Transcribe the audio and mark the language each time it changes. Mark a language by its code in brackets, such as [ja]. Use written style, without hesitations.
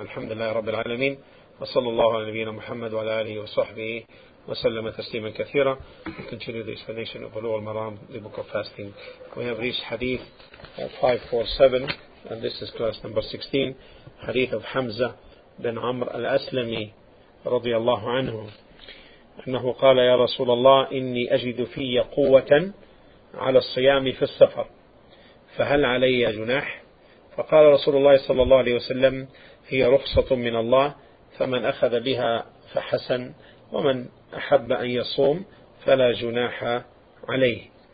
[ar] الحمد لله رب العالمين، وصلى الله على نبينا محمد وعلى آله وصحبه وسلم تسليما كثيرا. [en] We continue the explanation of Bulugh al-Maram, the book of fasting. We have reached hadith 547, and this is class number 16, hadith of Hamza bin Amr al-Aslami [ar] رضي الله عنه أنه قال يا رسول الله إني أجد في قوة على الصيام في السفر فهل علي جناح؟ فقال رسول الله صلى الله عليه وسلم هي رخصة من الله، فمن أخذ بها فحسن، ومن أحب أن يصوم فلا جناح عليه.